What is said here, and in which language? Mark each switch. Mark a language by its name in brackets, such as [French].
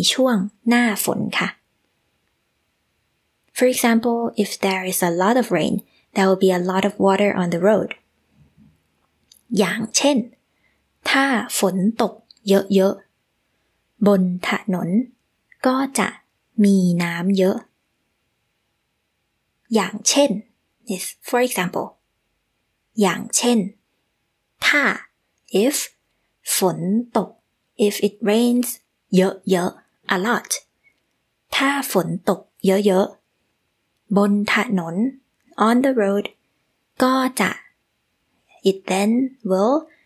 [Thai] แต่ว่าที่ไทยบางทีเราก็จะมีปัญหาในช่วงหน้าฝนค่ะ [English] For example, if there is a lot of rain, there will be a lot of water on the road [Thai] อย่างเช่นถ้าฝนตกเยอะๆบนถนนก็จะมีน้ำเยอะ [English] อย่างเช่น is for example. [Thai] อย่างเช่นถ้า [English] if ฝนตก if it rains เยอะๆ a lot. [Thai] ถ้าฝนตกเยอะๆบนถนน [English] on the road ก็จะ it then will